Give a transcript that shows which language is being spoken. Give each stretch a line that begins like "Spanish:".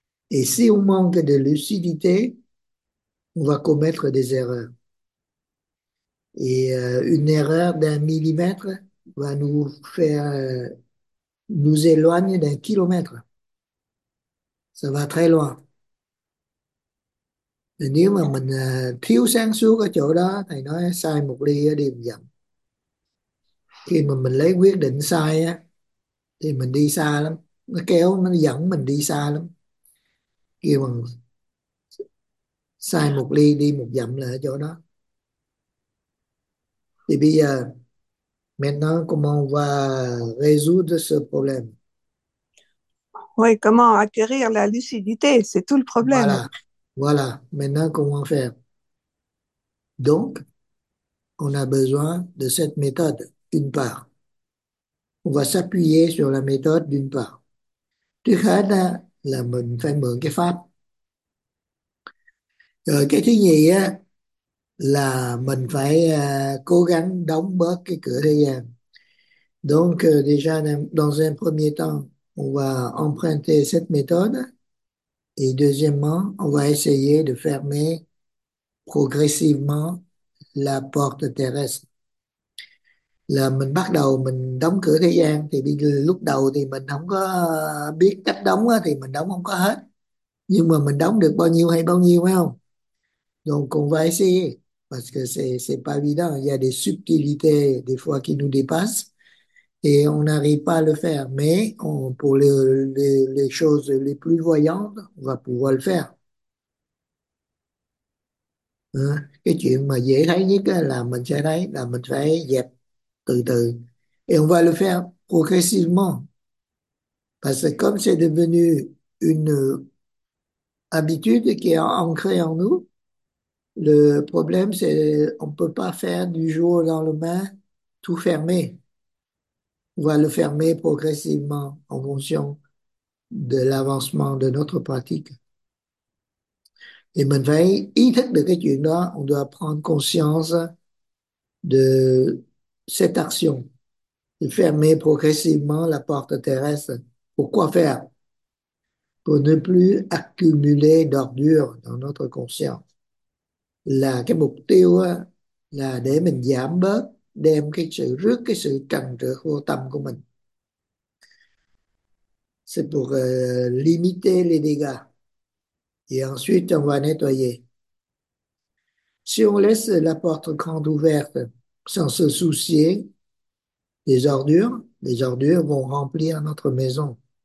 French: Et si on manque de lucidité, on va commettre des erreurs. Et une erreur d'un millimètre va nous faire nous éloigner d'un kilomètre. Ça va très loin.
Vietnamese: Et nếu mà mình thiếu sáng suốt ở chỗ đó, thầy nói sai một ly ở điểm dầm. Khi mà mình lấy quyết định sai á thì mình đi xa lắm, nó kéo nó dẫn mình đi xa lắm. Khi mà sai một ly đi một dặm là ở chỗ đó. Thì bây giờ
French: maintenant comment on va résoudre ce problème? Oui, comment acquérir la lucidité, c'est tout le problème. Voilà, maintenant comment faire? Donc on a besoin de cette méthode. D'une part, on va s'appuyer sur la méthode d'une part.
Vietnamese: Trước hết là mình phải mượn cái pháp. Rồi cái thứ nhì á là mình phải cố gắng đóng bớt cái cửa thời gian.
French: Donc déjà dans un premier temps, on va emprunter cette méthode et deuxièmement, on va essayer de fermer progressivement la porte terrestre.
Vietnamese: Là mình bắt đầu mình đóng cửa thế gian thì lúc đầu thì mình không có biết cách đóng á, thì mình đóng không có hết, nhưng mà mình đóng được bao nhiêu hay bao nhiêu, phải không?
French: Donc
Vietnamese: cũng phải
French: essayer parce que c'est pas évident, il y a des subtilités des fois qui nous dépassent et on n'arrive pas à le faire, mais pour les choses les plus voyantes on va pouvoir le faire.
Vietnamese: Cái chuyện mà dễ thấy nhất là mình sẽ thấy là mình phải dẹp từ từ.
French: Et on va le faire progressivement. Parce que comme c'est devenu une habitude qui est ancrée en nous, Le problème, c'est qu'on ne peut pas faire du jour au lendemain tout fermer. On va le fermer progressivement en fonction de l'avancement de notre pratique. Et maintenant, on doit prendre conscience de cette action, de fermer progressivement la porte terrestre. Pourquoi faire? Pour ne plus accumuler d'ordures dans notre conscience.
Vietnamese: Là, cái mục tiêu là để mình giảm bớt đem cái sự rước cái sự trần trở vô tâm của mình.
French: C'est pour limiter les dégâts. Et ensuite, on va nettoyer. Si on laisse la porte grande ouverte sans se soucier des ordures, les ordures vont remplir notre maison.